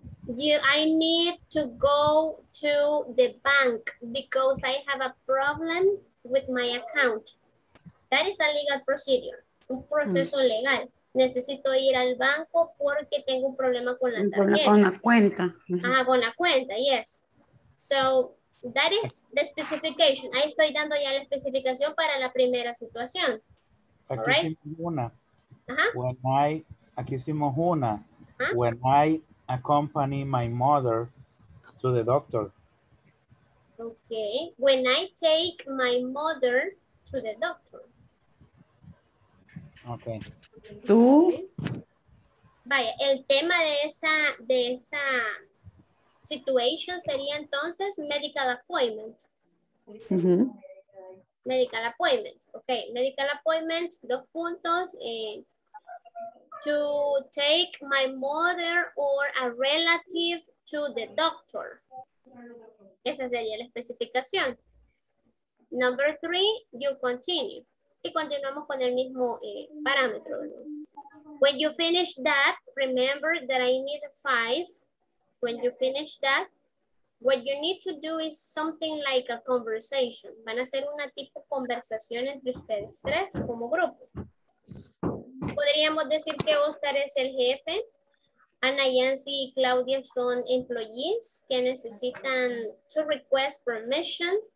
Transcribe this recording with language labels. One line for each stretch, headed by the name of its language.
English: I need to go to the bank because I have a problem with my account. That is a legal procedure,
Spanish: un proceso legal. Necesito ir al banco porque tengo un problema con la tarjeta. Con la cuenta. Ah, con la cuenta,
English: yes. So, that is the specification.
Spanish: Ahí estoy dando ya la especificación para la primera situación. Aquí
English: right?
Spanish: hicimos una. Uh-huh.
English: When I accompany my mother to the doctor. Okay. When I take my mother to the doctor. Okay.
Spanish: Tú. Vaya, el tema de esa situation sería entonces medical appointment. Mm-hmm.
English: Medical appointment. Okay, medical appointment,
Spanish: dos puntos.
English: To take my mother or a relative to the doctor.
Spanish: Esa sería la especificación.
English: Number three, you continue.
Spanish: Y continuamos con el mismo parámetro.
English: When you finish that, remember that I need five. When you finish that, what you need to do is something like a conversation.
Spanish: Van a hacer una tipo de conversación entre ustedes tres como grupo. Podríamos decir que Oscar es el jefe. Ana Yancy y Claudia son employees que necesitan
English: to request permission.